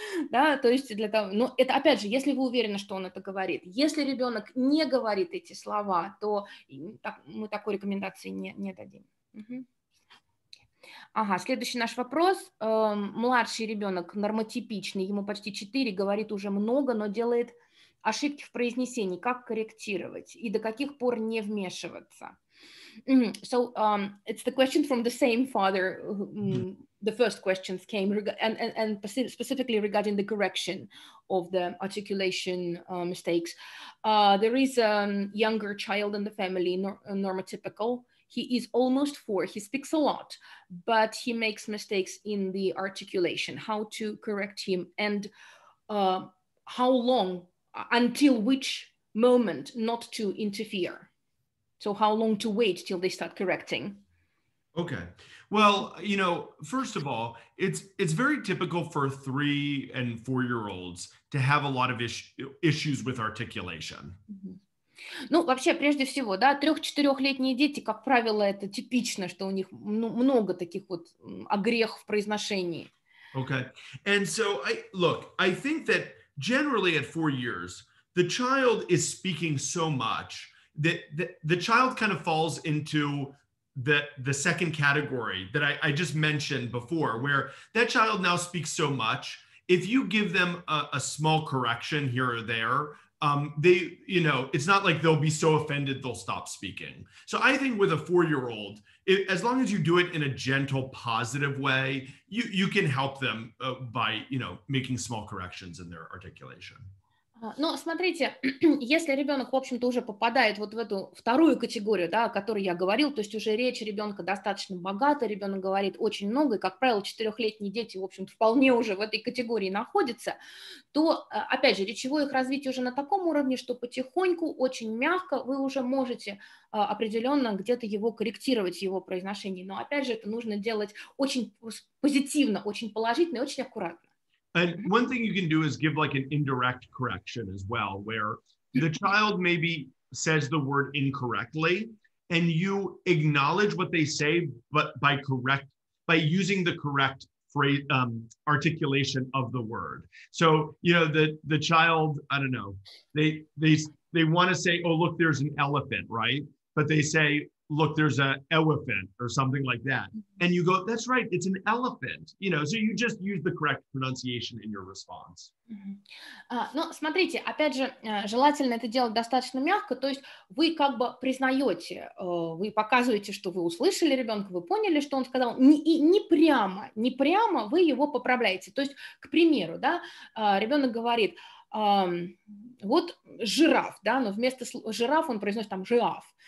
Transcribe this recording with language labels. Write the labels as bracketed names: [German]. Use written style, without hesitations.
[Russian] Да, то есть для того, но это опять же, если вы уверены, что он это говорит, если ребенок не говорит эти слова, то мы такой рекомендации не дадим. Ага, следующий наш вопрос. Младший ребенок нормотипичный, ему почти 4, говорит уже много, но делает ошибки в произнесении. Как корректировать и до каких пор не вмешиваться? [English] So it's the question from the same father. The first questions came and specifically regarding the correction of the articulation mistakes. There is a younger child in the family, normotypical. He is almost 4. He speaks a lot, but he makes mistakes in the articulation. How to correct him and how long, until which moment not to interfere? So how long to wait till they start correcting? Okay. Well, you know, first of all, it's very typical for 3- and 4-year-olds to have a lot of issues with articulation. [Russian] Ну, вообще, прежде всего, да, 3-4-летние дети, как правило, это типично, что у них много таких вот огрех в произношении. [English] Okay. And so, I think that generally at 4 years, the child is speaking so much that the child kind of falls into the second category that I just mentioned before, where that child now speaks so much, if you give them a small correction here or there, it's not like they'll be so offended they'll stop speaking. So I think with a 4-year-old, as long as you do it in a gentle, positive way, you can help them by, you know, making small corrections in their articulation. [Russian] Ну, смотрите, если ребенок, в общем-то, уже попадает вот в эту вторую категорию, да, о которой я говорил, то есть уже речь ребенка достаточно богата, ребенок говорит очень много, и, как правило, 4-летние дети, в общем-то, вполне уже в этой категории находятся, то, опять же, речевое их развитие уже на таком уровне, что потихоньку, очень мягко вы уже можете определенно где-то его корректировать, его произношение. Но, опять же, это нужно делать очень позитивно, очень положительно и очень аккуратно. [English] And one thing you can do is give like an indirect correction as well, where the child maybe says the word incorrectly and you acknowledge what they say, but by using the correct phrase, articulation of the word. So, you know, the child, I don't know, they want to say, oh, look, there's an elephant, right? But they say, look, there's an elephant or something like that. And you go, that's right, it's an elephant. You know, so you just use the correct pronunciation in your response. [Russian] Ну, смотрите, опять же, желательно это делать достаточно мягко, то есть вы как бы признаете, вы показываете, что вы услышали ребенка, вы поняли, что он сказал, не прямо вы его поправляете. То есть, к примеру, да, ребенок говорит, вот жираф, да, но вместо слова жираф он произносит там жираф.